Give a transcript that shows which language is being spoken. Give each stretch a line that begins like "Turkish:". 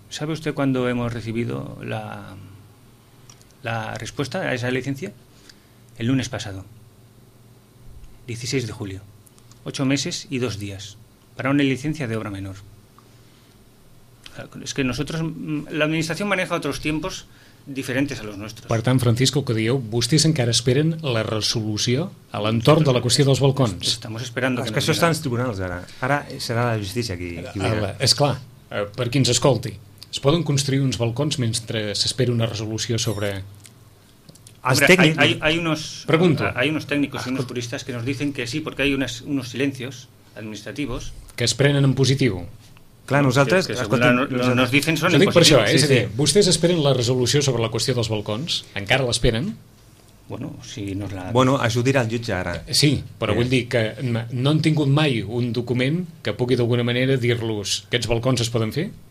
Spanish: ¿Sabe usted cuándo hemos recibido la respuesta a esa licencia? El lunes pasado, 16 de julio, 8 meses y 2 días, para una licencia de obra menor. Es que nosotros, la administración maneja otros tiempos diferentes a los nuestros.
Catalan: Per tant, Francisco, que dieu, vostès encara esperen la resolució a l'entorn de la qüestió dels balcons.
Spanish: Estamos esperando.
Catalan: És que això està en els tribunals, ara. Ara serà la justícia qui ho dirà. És clar, per qui ens escolti, es poden construir uns balcons mentre s'espera una resolució sobre...
Spanish: Hay unos técnicos y unos juristas que nos dicen que sí, porque hay unos silencios administrativos.
Catalan: Que es prenen en positiu. Clar, nosaltres...
Spanish: Nos dicen
Catalan: són impositius. Per això, és a dir, vostès esperen la resolució sobre la qüestió dels balcons? Encara l'esperen?
Spanish: Bueno, si nos la...
Catalan: Bueno, això ho dirà el jutge ara. Sí, però vull dir que no han tingut mai un document que pugui d'alguna manera dir-los que aquests balcons es poden fer?